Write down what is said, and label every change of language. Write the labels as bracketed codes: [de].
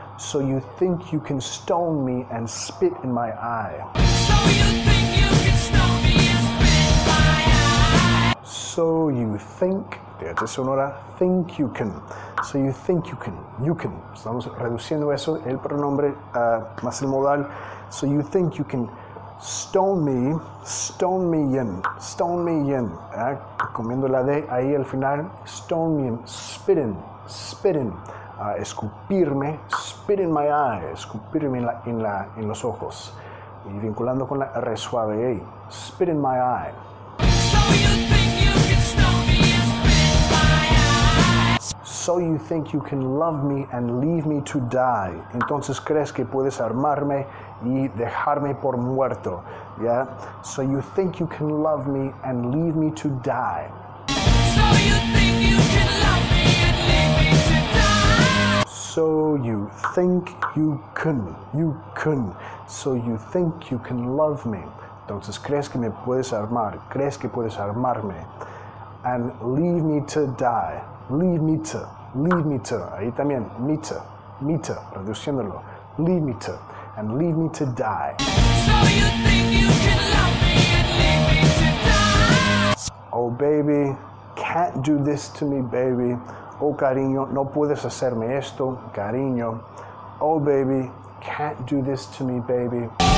[en] So you think you can stone me and spit in my eye. So you think you can stone me and spit in my eye. So you think, [es] fíjate sonora, [en] think you can. So you think you can, you can. [es] Estamos reduciendo eso, el pronombre más el modal. [en] So you think you can stone me in, [es] comiendo la D ahí al final. [en] Stone me in, spit in, spit in. [es] Escupirme, [en] spit in my eye, [es] escupirme en los ojos. Y vinculando con la R suave, hey, [en] spit in my eye. So you think you can stone me and spit in my eye. So you think you can love me and leave me to die. [es] Entonces crees que puedes amarme y dejarme por muerto. [en] Yeah? So you think you can love me and leave me to die. So you think you can love me and leave me to die. So you think you can, you can. So you think you can love me. [es] Entonces, ¿crees que me puedes armar? ¿Crees que puedes armarme? [en] And leave me to die. Leave me to, leave me to. [es] Ahí también, [en] me to, me to, reduciéndolo. Leave me to, and leave me to die. So you think you can love me and leave me to die. Oh, baby, can't do this to me, baby. [es] Oh, cariño, no puedes hacerme esto, cariño. [en] Oh, baby, can't do this to me, baby.